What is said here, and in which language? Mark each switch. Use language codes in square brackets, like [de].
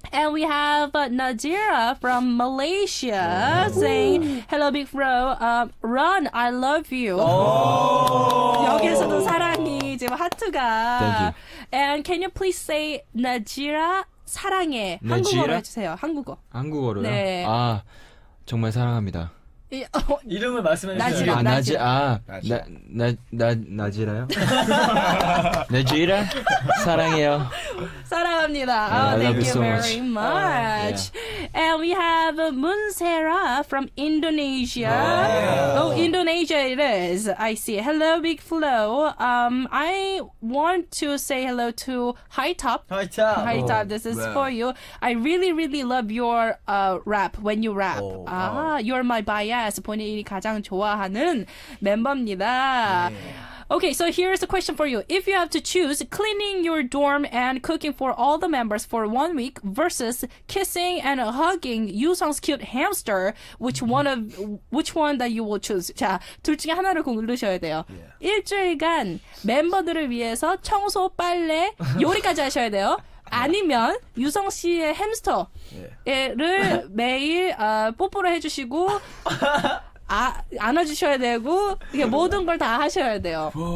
[en] And we have Nadira from Malaysia saying, Hello, Big Bro. Run, I love you. [ko] 여기에서도 사랑이 지금 하트가. [en] And can you please say, Nadira? [ko] 사랑해. 네, 한국어로 지라? 해주세요. 한국어. 한국어로요? 네. 아, 정말 사랑합니다. 이름을 말씀해주세요. 나지라요? 나지라? 사랑해요. 사랑합니다. [en] Thank you so much. Very much. Oh, yeah. And we have Munsera from Indonesia. Oh, yeah. Oh, Indonesia it is. I see. Hello, Big Flo. I want to say hello to High Top. High Top. High Top, this is for you. I really, really love your rap when you rap. Oh, wow. You're my bias. [ko] 본인이 가장 좋아하는 멤버입니다. [en] Yeah. Okay, so here's a question for you. If you have to choose cleaning your dorm and cooking for all the members for 1 week versus kissing and hugging Yusong's cute hamster, which one that you will choose? [ko] 자, 둘 중에 하나를 고르셔야 돼요. Yeah. 일주일간 멤버들을 위해서 청소, 빨래, 요리까지 하셔야 돼요. 아니면 유성 씨의 햄스터를 매일 뽀뽀를 해주시고 안아주셔야 되고 이게 모든 걸 다 하셔야 돼요.